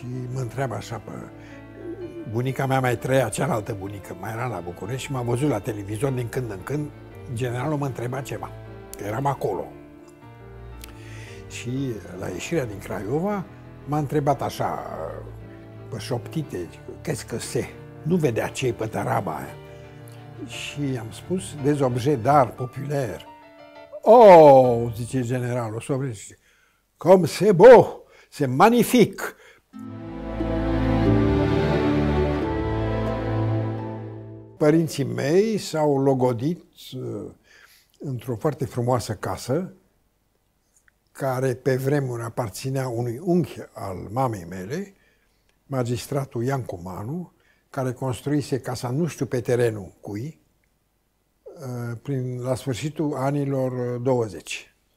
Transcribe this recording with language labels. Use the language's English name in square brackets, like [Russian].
[Romanian] și mă întreabă așa pe... Bunica mea mai trăia, cealaltă bunică, mai era la București și m-a văzut la televizor din când în când. Generalul mă întreba ceva. Eram acolo. Și la ieșirea din Craiova m-a întrebat așa, pe șoptite, crezi că se... Nu vedea ce-i pe taraba aia. Și am spus, [French] des objet d'art populaire. [Romanian] Oh, zice generalul, sobre, zice, [French] comme c'est beau, c'est magnifique. [Romanian] Părinții mei s-au logodit într-o foarte frumoasă casă, care pe vremuri aparținea unui unchi al mamei mele, magistratul Iancu Manu, care construise casa nu știu pe terenul cui, prin la sfârșitul anilor 20.